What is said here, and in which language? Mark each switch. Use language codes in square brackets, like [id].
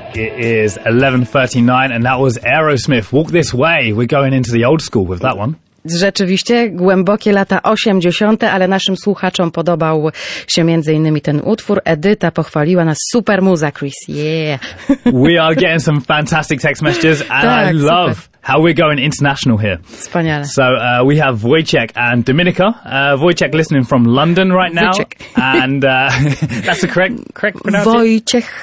[en] It is 11:39 and that was Aerosmith, Walk This Way. We're going into the old school with that one. [pl] Rzeczywiście, głębokie lata 80, ale naszym słuchaczom podobał się między innymi ten utwór. Edyta pochwaliła nas, super muza, Chris. [en] Yeah. We are getting some fantastic text messages and [pl] tak, [en] I love [pl] super. [en] How we're going international here. [pl] Wspaniale. [en] So we have Wojciech and Dominika. Wojciech listening from London right now. Wojciech. And that's the correct pronunciation.